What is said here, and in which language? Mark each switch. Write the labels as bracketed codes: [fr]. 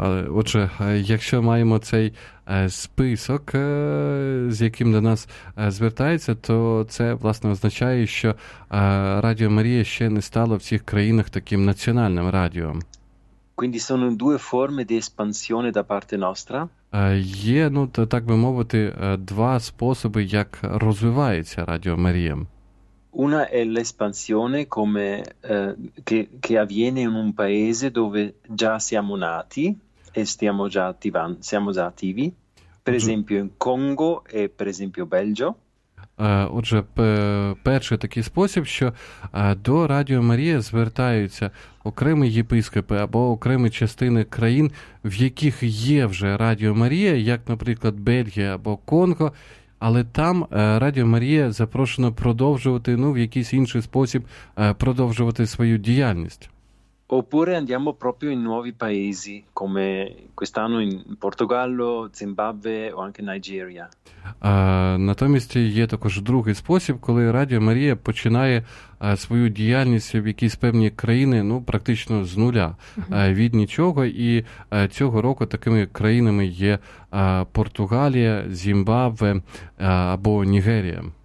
[uk] Отже, якщо маємо цей список, з яким до нас звертається, то це, власне, означає, що Радіо Марія ще не стало в цих країнах таким національним радіо. [it] Quindi sono due forme di espansione da parte nostra? [uk] Є, ну, так би мовити, два способи, як розвивається Радіо Марія. [it] Una è l'espansione come che avviene in un paese dove già siamo nati e siamo già attivi. Per esempio in Congo e per esempio Belgio. [uk] Отже, перший такий спосіб, що до Радіо Марія звертаються окремі єпископи або окремі частини країн, в яких є вже Радіо Марія, як, наприклад, Бельгія або Конго, але там Радіо Марія запрошено продовжувати, ну, в якийсь інший спосіб продовжувати свою діяльність. [it] Oppure andiamo proprio in nuovi paesi, come quest'anno in Portogallo, Zimbabwe o anche Nigeria. [uk] Натомість є також другий спосіб, коли Радіо Марія починає свою діяльність в якійсь певній країні, ну, практично з нуля, від нічого, і цього року такими країнами є Португалія, Зімбабве або Нігерія.